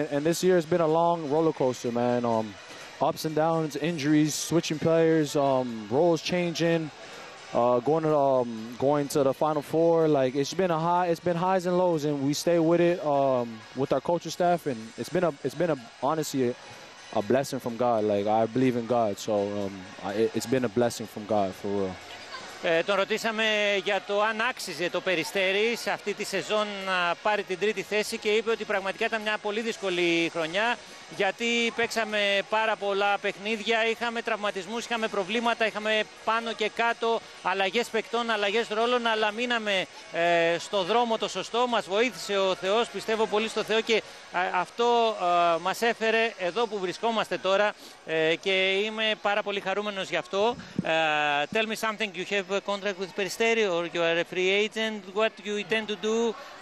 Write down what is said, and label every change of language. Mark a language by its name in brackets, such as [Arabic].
[English] And this year has been a long roller coaster, man. Ups and downs, injuries, switching players, roles changing, going to the Final Four. Like it's been highs and lows, and we stay with it with our coaching staff. And it's been honestly. A blessing from God. Like I believe in God, so it's been a blessing from God for real. [Greek] Τον ρωτήσαμε για το αν άξιζε το Περιστέρι σε αυτή τη σεζόν να πάρει την τρίτη θέση και είπε ότι πραγματικά ήταν μια πολύ δύσκολη χρονιά γιατί παίξαμε πάρα πολλά παιχνίδια, είχαμε τραυματισμούς, είχαμε προβλήματα, είχαμε πάνω και κάτω αλλαγές παικτών, αλλαγές ρόλων, αλλά μείναμε στο δρόμο το σωστό, μας βοήθησε ο Θεός, πιστεύω πολύ στο Θεό και αυτό μας έφερε εδώ που βρισκόμαστε τώρα και είμαι πάρα πολύ χαρούμενος γι' αυτό. [English] Tell me something you have a contract with Peristeri or you are a free agent, what you intend to do?